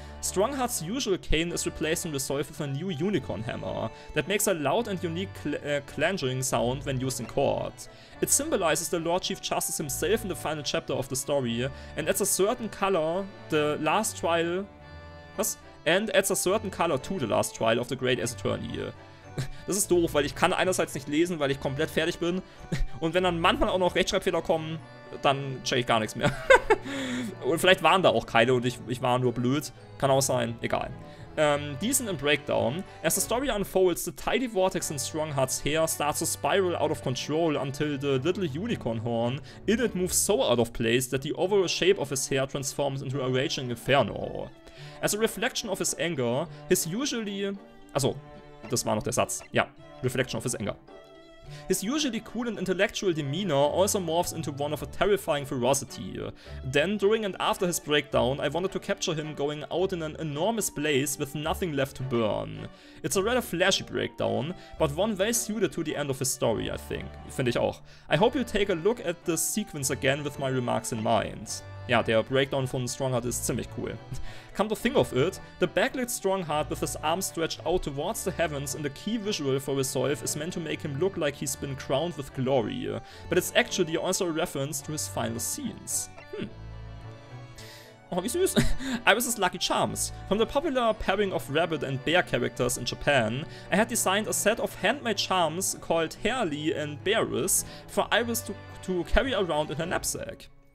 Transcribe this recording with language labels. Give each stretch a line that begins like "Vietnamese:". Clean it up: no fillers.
English: Strongheart's usual cane is replaced and resolve with a new unicorn hammer that makes a loud and unique clanging sound when used in court. It symbolizes the Lord Chief Justice himself in the final chapter of the story and adds a certain color the last trial to the last trial of the Great Ace Attorney.
German: Das ist doof, weil ich kann einerseits nicht lesen, weil ich komplett fertig bin und wenn dann manchmal auch noch Rechtschreibfehler kommen, dann check ich gar nichts mehr. Und vielleicht waren da auch keine und ich war nur blöd. Kann auch sein, egal.
English: Decent and breakdown. As the story unfolds, the tidy vortex in Strongheart's hair starts to spiral out of control until the little unicorn horn in it moves so out of place that the overall shape of his hair transforms into a raging inferno. As a reflection of his anger, his usually...
German: Also, das war noch der Satz.
English: Ja, reflection of his anger. His usually cool and intellectual demeanor also morphs into one of a terrifying ferocity. Then, during and after his breakdown, I wanted to capture him going out in an enormous blaze with nothing left to burn. It's a rather flashy breakdown, but one well suited to the end of his story, I think.
German: Finde ich auch.
English: I hope you take a look at the sequence again with my remarks in mind.
German: Ja, der Breakdown von Strongheart ist ziemlich cool.
English: Come to think of it, the backlit Strongheart with his arms stretched out towards the heavens in the key visual for Resolve is meant to make him look like he's been crowned with glory, but it's actually also a reference to his final scenes.
German: Oh, wie süß.
English: Iris' Lucky Charms. From the popular pairing of rabbit and bear characters in Japan, I had designed a set of handmade charms called Hairly and Bearis for Iris to carry around in her knapsack.